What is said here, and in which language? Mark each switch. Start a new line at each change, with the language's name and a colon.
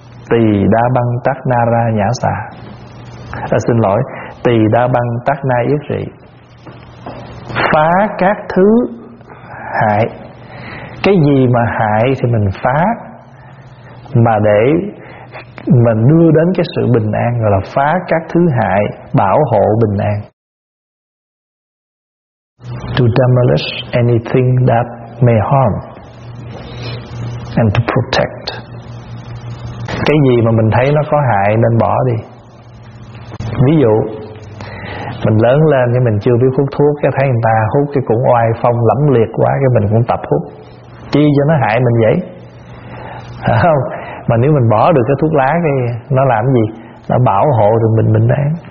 Vietnamese: Tỳ đa băng tát na ra nhã xà, xin lỗi, tỳ đa băng tát na yết rị phá các thứ hại. Cái gì mà hại thì mình phá, mà để mình đưa đến cái sự bình an gọi là phá các thứ hại, bảo hộ bình an.
English: To demolish anything that may harm and to protect.
Vietnamese: Cái gì mà mình thấy nó có hại nên bỏ đi. Ví dụ mình lớn lên nhưng mình chưa biết hút thuốc, cái thấy người ta hút cái cũng oai phong lẫm liệt quá, cái mình cũng tập hút, chi cho nó hại mình vậy, phải không? Mà nếu mình bỏ được cái thuốc lá thì nó làm gì? Nó bảo hộ được mình bình an.